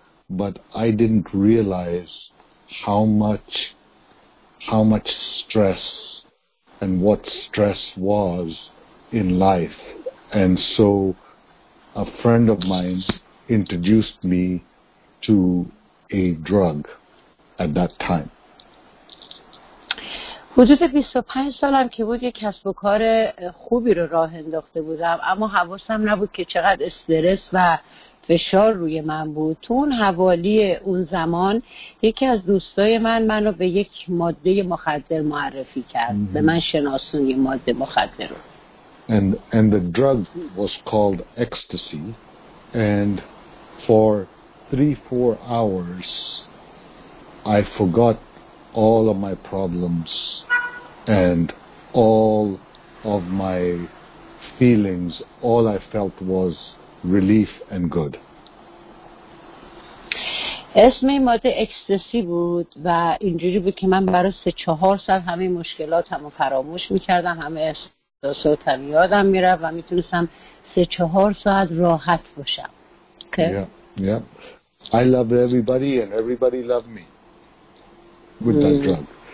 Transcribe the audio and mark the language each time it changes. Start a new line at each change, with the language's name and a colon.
English: But I didn't realize how much stress and what stress was in life. And so a friend of mine introduced me to a drug at that time.
Persian: حدود 25 سالم که بود یه کسب و کار خوبی رو راه انداخته بودم، اما حواسم نبود که چقدر استرس و فشار روی من بود. تو اون حوالی اون زمان یکی از دوستای منو به یک ماده مخدر معرفی کرد. به من شناسون یه ماده مخدر رو.
English: And the drug was called ecstasy, and for 3-4 hours I forgot all of my problems and all of my feelings. All I felt was relief and good.
Persian: اسم این ماده اکستسی بود و اینجوری بود که من برای 3-4 ساعت همه مشکلاتم رو فراموش میکردم، همه احساساتم یادم میرفت و میتونستم 3-4 ساعت راحت باشم.
English: Yeah. I loved everybody and everybody loved me with that drug.